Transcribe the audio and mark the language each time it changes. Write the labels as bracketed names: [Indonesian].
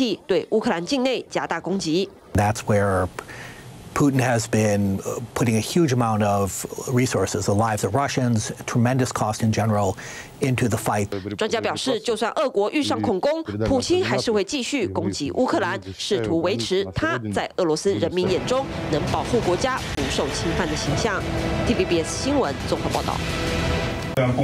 [Chinese] 另外，俄国指控乌克兰在用无人机轰炸边境的贝尔格罗德，造成一死五伤，让俄罗斯更有底气对乌克兰境内加大攻击。 [English] That's where Putin has been putting a huge amount of resources, the lives of Russians, tremendous cost in general, into the fight. [Chinese] 专家表示，就算俄国遇上恐攻，普京还是会继续攻击乌克兰，试图维持他在俄罗斯人民眼中能保护国家不受侵犯的形象。TVBS 新闻综合报道。